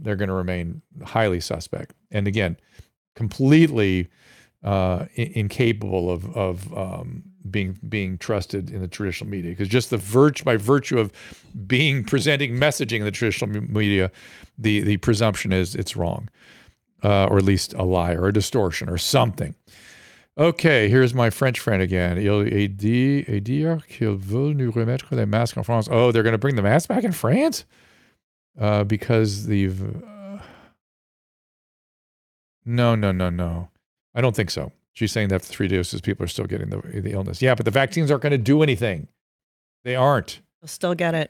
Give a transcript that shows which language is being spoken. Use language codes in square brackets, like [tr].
[en] They're going to remain highly suspect. And again, completely incapable of being trusted in the traditional media, because just by virtue of being presenting messaging in the traditional media, the presumption is it's wrong, or at least a lie or a distortion or something. Okay, here's my French friend again. [fr] Il a dit qu'ils veulent nous remettre les masques en France. [en] Oh, they're going to bring the masks back in France? Because the... No. I don't think so. She's saying that after 3 doses, people are still getting the illness. Yeah, but the vaccines aren't going to do anything. They aren't. They'll still get it.